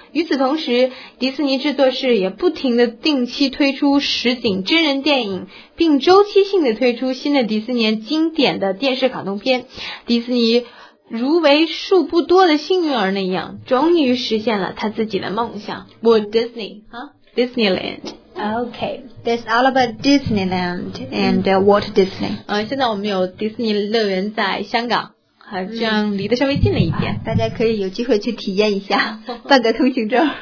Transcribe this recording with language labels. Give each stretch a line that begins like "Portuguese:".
Chinese: 与此同时，迪士尼制作室也不停地定期推出实景真人电影，并周期性的推出新的迪士尼经典的电视卡通片。迪士尼如为数不多的幸运儿那样，终于实现了他自己的梦想。
English: Walt Disney, huh? Disneyland. Okay, that's all about Disneyland and Walt Disney.
Chinese: 现在我们有迪士尼乐园在香港，好像离得稍微近了一点，大家可以有机会去体验一下，办个通行证。